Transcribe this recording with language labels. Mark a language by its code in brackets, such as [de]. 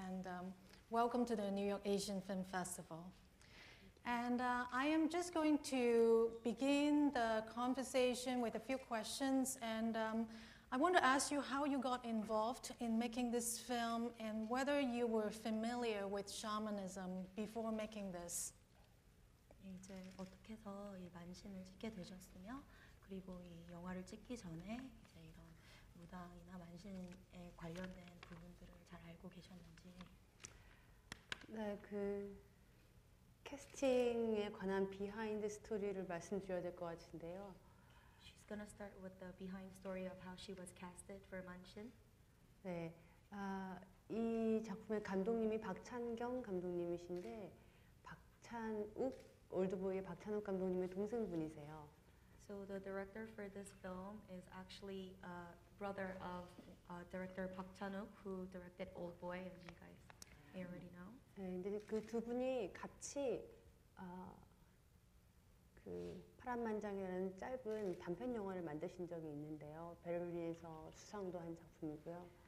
[en] And welcome to the New York Asian Film Festival. And I am just going to begin the conversation with a few questions. And I want to ask you how you got involved in making this film and whether you were familiar with shamanism before making this. [ko] 이제 어떻게 해서 이 만신을 찍게 되셨으며 그리고 이 영화를 찍기 전에 이제 이런 무당이나 만신에 관련된 부분들을 잘 알고 계셨는지. 네, 그 캐스팅에 관한 비하인드 스토리를 말씀드려야 될 것 같은데요. [en] She's gonna start with the behind story of how she was casted for Manshin. [ko] 네, 아, 이 작품의 감독님이 박찬경 감독님이신데 박찬욱 올드보이의 박찬욱 감독님의 동생분이세요. [en] So the director for this film is actually a brother of director Park Chan-wook, who directed Old Boy, as you guys may already know. [ko] 네, 이제 그 두 분이 같이 그 파란만장이라는 짧은 단편 영화를 만드신 적이 있는데요. 베를린에서 수상도 한 작품이고요.